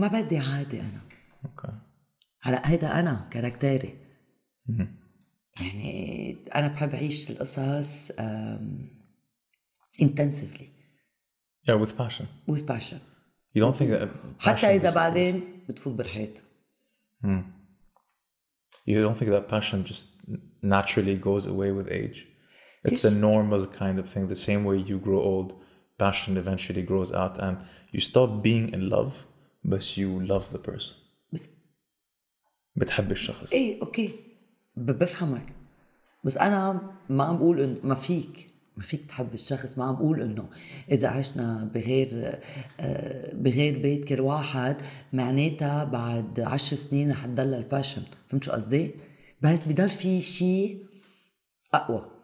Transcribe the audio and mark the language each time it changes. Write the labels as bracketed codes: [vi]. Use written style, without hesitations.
[ar] ما بدي عادة أنا. هلا هيدا انا كاركتيري. يعني انا بحب اعيش القصص intensively. [en] Yeah, with passion. With passion. You don't think that [ar] passion حتى اذا بعدين بتفوت بالحيط. [en] You don't think that passion just naturally goes away with age. It's a normal kind of thing. The same way you grow old, passion eventually grows out and you stop being in love, but you love the person. [ar] بتحب الشخص. ايه اوكي بفهمك، بس انا ما عم بقول انه ما فيك تحب الشخص. ما عم بقول انه اذا عشنا بغير بيت كل واحد معناتها بعد 10 سنين رح تضل الباشن، فهمت شو قصدي؟ بس بضل في شيء اقوى.